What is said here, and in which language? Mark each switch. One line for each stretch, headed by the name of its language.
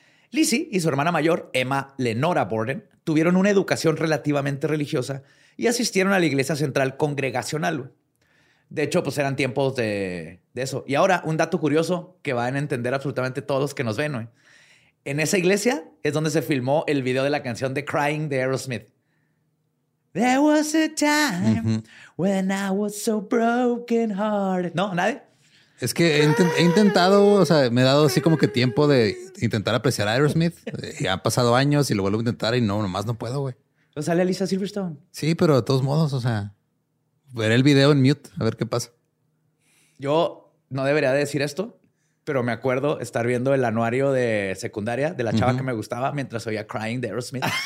Spanish: Lizzie y su hermana mayor, Emma Lenora Borden, tuvieron una educación relativamente religiosa y asistieron a la Iglesia Central Congregacional. De hecho, pues eran tiempos de eso. Y ahora, un dato curioso que van a entender absolutamente todos los que nos ven, ¿no? En esa iglesia es donde se filmó el video de la canción de Crying de Aerosmith.
English: There was a time when I was so broken hearted.
Spanish: No, nadie. Es que he intentado, o sea, me he dado así como que tiempo de intentar apreciar a Aerosmith. Y han pasado años y lo vuelvo a intentar y no, nomás no puedo, güey. ¿O sale a Lisa Silverstone? Sí, pero de todos modos, o sea, veré el video en mute, a ver qué pasa. Yo no debería decir esto. Pero me acuerdo estar viendo el anuario de secundaria de la chava que me gustaba mientras oía Crying de Aerosmith.